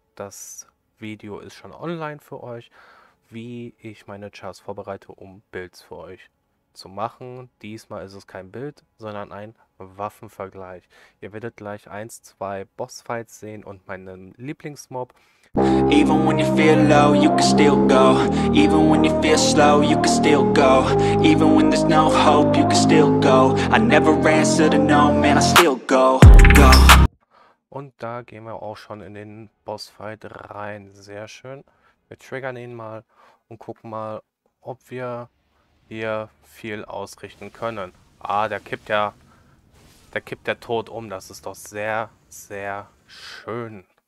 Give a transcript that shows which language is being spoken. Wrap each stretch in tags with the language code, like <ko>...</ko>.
<de>Das Video ist schon online für euch, wie ich meine Chars vorbereite, um Builds für euch zu machen. Diesmal ist es kein Build, sondern ein Waffenvergleich. Ihr werdet gleich 1, 2 Bossfights sehen und meinen Lieblingsmob.</de> <en>Even when you feel low, you can still go. Even when you feel slow, you can still go. Even when there's no hope, you can still go. I never answer to no, man, I still go. Go.</en> <de>Und da gehen wir auch schon in den Bossfight rein. Sehr schön. Wir triggern ihn mal und gucken mal, ob wir hier viel ausrichten können. Ah, der kippt ja tot um. Das ist doch sehr, sehr schön.</de>